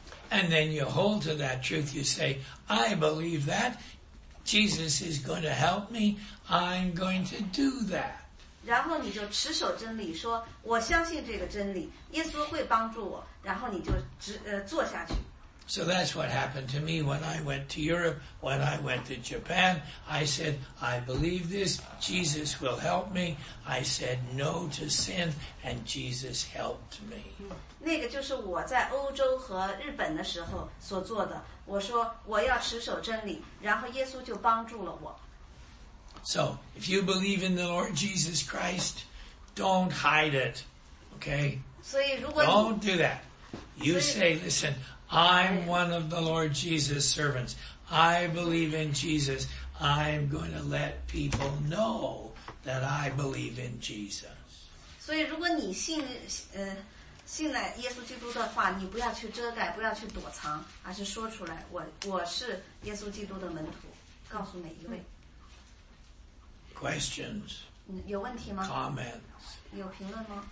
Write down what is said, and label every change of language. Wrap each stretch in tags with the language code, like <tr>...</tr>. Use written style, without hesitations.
<en>And then you hold to that truth. You say, I believe that. Jesus is going to help me. I'm going to do that.</en> <zh>然后你就持守真理，说我相信这个真理，耶稣会帮助我。然后你就做下去。</zh> <en>So that's what happened to me when I went to Europe, when I went to Japan. I said, I believe this. Jesus will help me. I said no to sin, and Jesus helped me.</en> <zh>那个就是我在欧洲和日本的时候所做的。我说我要持守真理，然后耶稣就帮助了我。So,</zh> <en>if you believe in the Lord Jesus Christ, don't hide it, okay?</en> <zh>所以如果你,</zh> <en>don't do that. You say, listen, I'm one of the Lord Jesus' servants. I believe in Jesus. I'm going to let people know that I believe in Jesus.</en> <zh>所以如果你信信了耶稣基督的话，你不要去遮盖，不要去躲藏，而是说出来，我是耶稣基督的门徒，告诉每一位。</zh> <en>Questions.</en> <zh>有问题吗</zh> <en>？Comments.</en> <zh>有评论吗</zh>